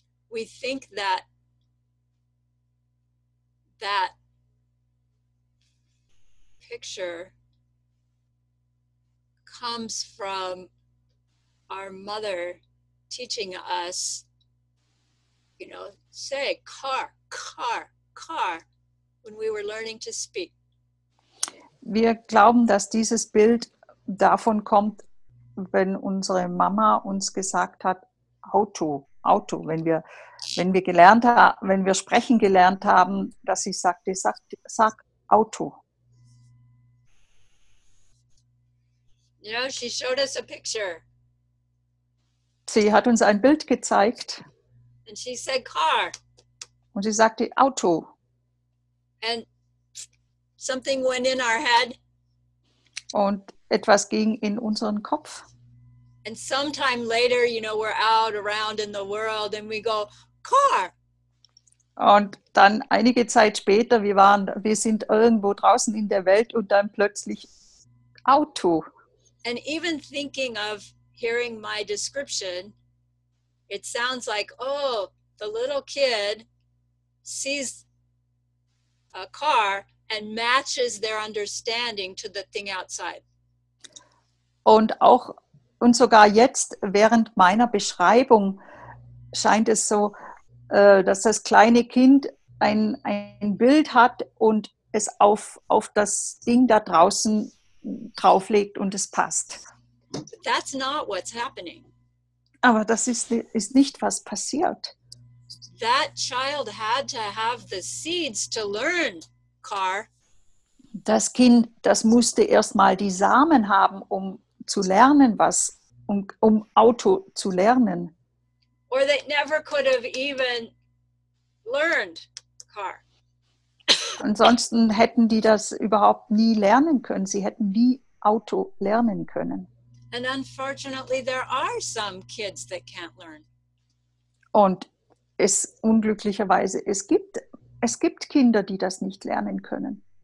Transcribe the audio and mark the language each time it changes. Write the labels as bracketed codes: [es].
[en] We think that picture comes from our mother teaching us, you know, say car, car, car, when we were learning to speak. [de] Wir glauben, dass dieses Bild davon kommt, wenn unsere Mama uns gesagt hat, Auto, Auto, wenn wir sprechen gelernt haben, dass sie sagte, sag Auto. [en] You know, she showed us a picture. [de] Sie hat uns ein Bild gezeigt. [en] And she said, car. [de] Und sie sagte Auto. [en] And something went in our head. [de] Und etwas ging in unseren Kopf. [en] And sometime later, you know, we're out around in the world and we go, car. [de] Und dann einige Zeit später, wir sind irgendwo draußen in der Welt und dann plötzlich Auto. [en] And even thinking of hearing my description, it sounds like, oh, the little kid sees a car and matches their understanding to the thing outside. [de] Und auch, und sogar jetzt, während meiner Beschreibung, scheint es so, dass das kleine Kind ein Bild hat und es auf das Ding da draußen drauflegt und es passt. [en] But that's not what's happening. [de] Aber das ist nicht, was passiert. [en] That child had to have the seeds to learn car. [de] Das Kind, das musste erstmal die Samen haben, um zu lernen, was um Auto zu lernen. [en] Or they never could have even learned car. [de] Ansonsten hätten die das überhaupt nie lernen können. Sie hätten nie Auto lernen können. [en] And unfortunately, there are some kids that can't learn. [de] Und es unglücklicherweise es gibt Kinder, die das nicht lernen können.